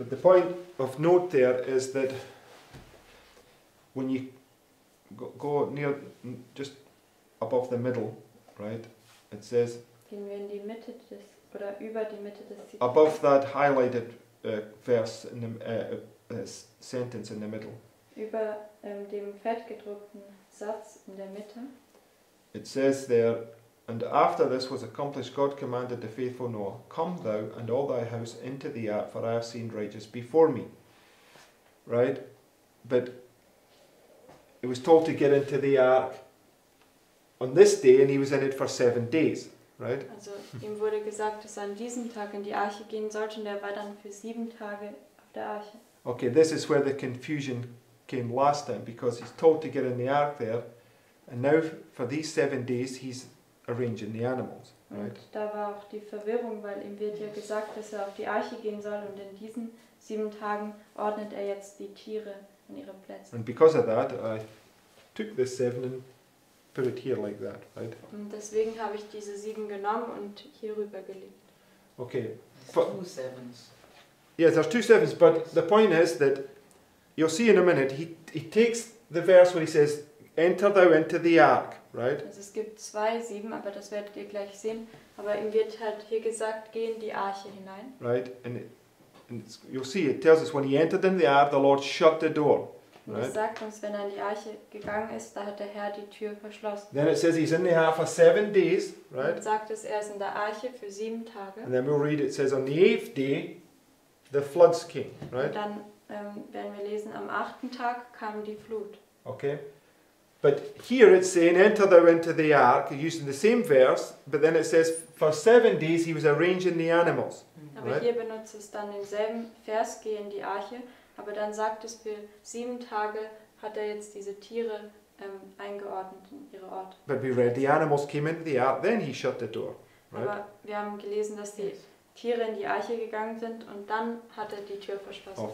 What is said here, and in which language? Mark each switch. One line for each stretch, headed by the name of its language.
English: But the point of note there is that when you go near, just above the middle, right, it says,
German: gehen wir in die Mitte des, oder über die Mitte des Zitats.
English: Above that highlighted verse in the sentence in the middle.
German: Über dem fett gedruckten Satz in der Mitte.
English: It says there, and after this was accomplished, God commanded the faithful Noah, come thou and all thy house into the ark, for I have seen righteous before me. Right? But he was told to get into the ark on this day, and he was in it for 7 days. Right?
German: Also, ihm wurde gesagt, dass er an diesem Tag in die Arche gehen sollte, und er war dann für 7 Tage auf der Arche.
English: Okay, this is where the confusion came last time, because he's told to get in the ark there, and now for these 7 days he's arranging the animals. Right?
German: Und da war auch die Verwirrung, weil ihm wird ja gesagt, dass er auf die Arche gehen soll, und in diesen 7 Tagen ordnet er jetzt die Tiere an ihre Plätze.
English: And because of that, I took this 7 and put it here like that, right?
German: Und deswegen habe ich diese 7 genommen und hier rüber gelegt.
English: Okay. Two sevens. Yes, there's 2 sevens, but the point is that you'll see in a minute, he takes the verse where he says, enter thou into the ark, right?
German: Also es gibt 2 sieben, aber das werdet ihr gleich sehen. Aber ihm wird halt hier gesagt, geh in die Arche hinein.
English: Right, and you'll see, it tells us, when he entered in the ark, the Lord shut the door. Right.
German: Es sagt uns, wenn er in die Arche gegangen ist, da hat der Herr die Tür verschlossen.
English: Then it says he's in the ark for 7 days, right?
German: Und sagt es, er ist in der Arche für 7 Tage.
English: And then we'll read, it says, on the 8th day, the floods came, right?
German: Und dann werden wir lesen, am 8. Tag kam die Flut.
English: Okay. But here it's saying, enter thou into the ark, using the same verse, but then it says, for 7 days he was arranging the animals.
German: Aber right? Hier benutzt es dann denselben Vers, geh in die Arche. Aber dann sagt es, für 7 Tage hat er jetzt diese Tiere eingeordnet in ihre Orte.
English: But we read the animals came into the ark, then he shut the door. Right?
German: Aber wir haben gelesen, dass die Tiere in die Arche gegangen sind und dann hat er die Tür verschlossen.